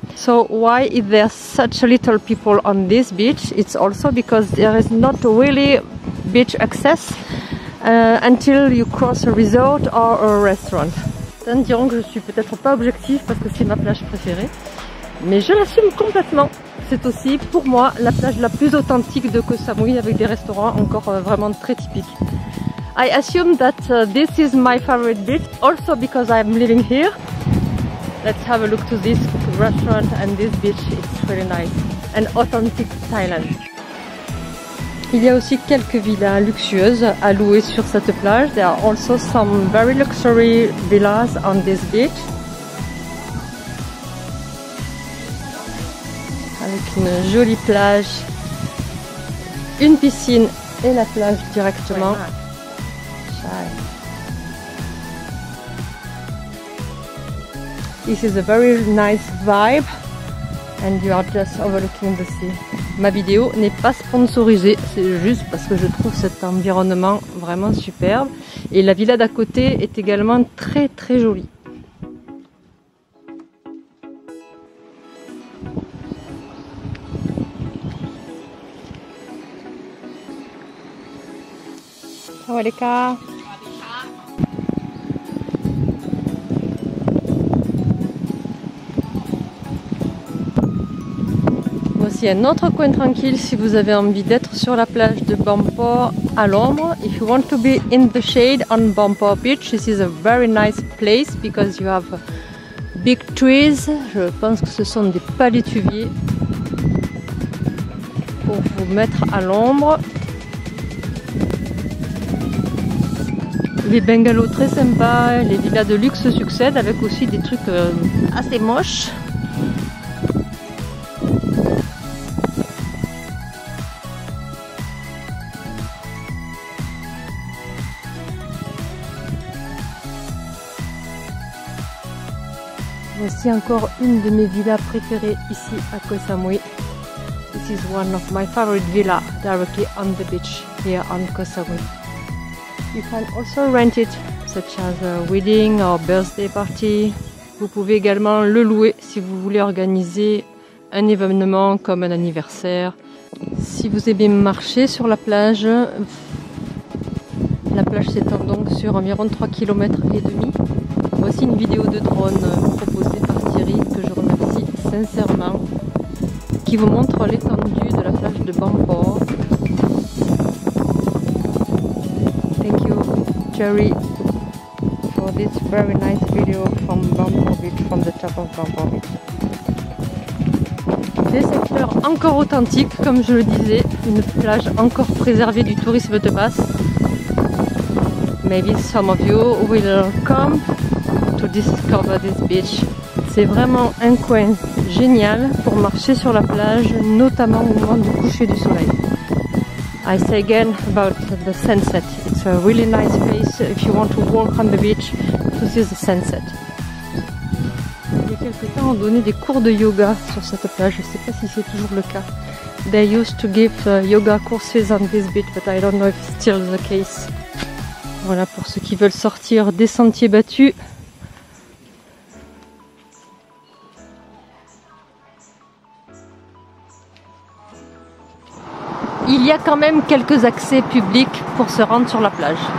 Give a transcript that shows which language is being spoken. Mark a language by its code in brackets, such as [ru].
[en] So why is there such little people on this beach? It's also because there is not really beach access until you cross a resort or a restaurant. [fr] Certains diront que je suis peut-être pas objective parce que c'est ma plage préférée, mais je l'assume complètement. C'est aussi pour moi la plage la plus authentique de Koh Samui avec des restaurants encore vraiment très typiques. [en] I assume that this is my favorite beach also because I'm living here. Let's have a look to this restaurant and this beach. It's really nice and authentic Thailand. [fr] Il y a aussi quelques villas luxueuses à louer sur cette plage. [en] There are also some very luxury villas on this beach. [fr] Avec une jolie plage, une piscine et la plage directement. [en] This is a very nice vibe and you are just overlooking the sea. [fr] Ma vidéo n'est pas sponsorisée, c'est juste parce que je trouve cet environnement vraiment superbe et la villa d'à côté est également très très jolie. [th] Sawadeeka. [fr] Un autre coin tranquille si vous avez envie d'être sur la plage de Bampo à l'ombre. [en] If you want to be in the shade on Bampo Beach, this is a very nice place because you have big trees. [fr] Je pense que ce sont des palétuviers pour vous mettre à l'ombre. Les bungalows très sympas, les villas de luxe succèdent avec aussi des trucs assez moches. Voici encore une de mes villas préférées ici à Koh Samui. [en] This is one of my favorite villa directly on the beach here on Koh Samui. You can also rent it such as a wedding or birthday party. [fr] Vous pouvez également le louer si vous voulez organiser un événement comme un anniversaire. Si vous aimez marcher sur la plage s'étend donc sur environ 3,5 km. Voici une vidéo de drone proposée par Thierry, que je remercie sincèrement, qui vous montre l'étendue de la plage de Banport. [en] Thank you, Thierry, for this very nice video from Banport Beach, from the top of Banport Beach. [fr] Des secteurs encore authentiques, comme je le disais, une plage encore préservée du tourisme de masse. [en] Maybe some of you will come to discover this beach. [fr] C'est vraiment un coin génial pour marcher sur la plage, notamment au moment du coucher du soleil. [en] I say again about the sunset. It's a really nice place if you want to walk on the beach to see the sunset. [fr] Quelques temps, on donnait des cours de yoga sur cette plage. Je ne sais pas si c'est toujours le cas. [en] They used to give yoga courses on this beach, but I don't know if it's still the case. [fr] Voilà pour ceux qui veulent sortir des sentiers battus. Il y a quand même quelques accès publics pour se rendre sur la plage.